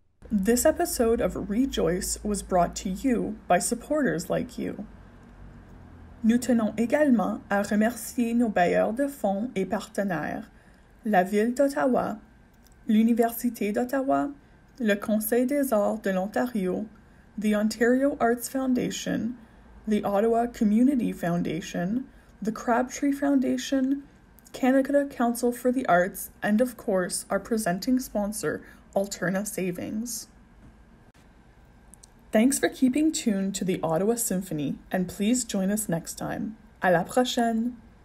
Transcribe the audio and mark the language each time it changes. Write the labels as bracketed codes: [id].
[en] This episode of RE-JOYce was brought to you by supporters like you. [fr] Nous tenons également à remercier nos bailleurs de fonds et partenaires, la Ville d'Ottawa, l'Université d'Ottawa, le Conseil des Arts de l'Ontario, [en] the Ontario Arts Foundation, the Ottawa Community Foundation, the Crabtree Foundation, Canada Council for the Arts, and of course, our presenting sponsor, Alterna Savings. Thanks for keeping tuned to the Ottawa Symphony, and please join us next time. [fr] À la prochaine!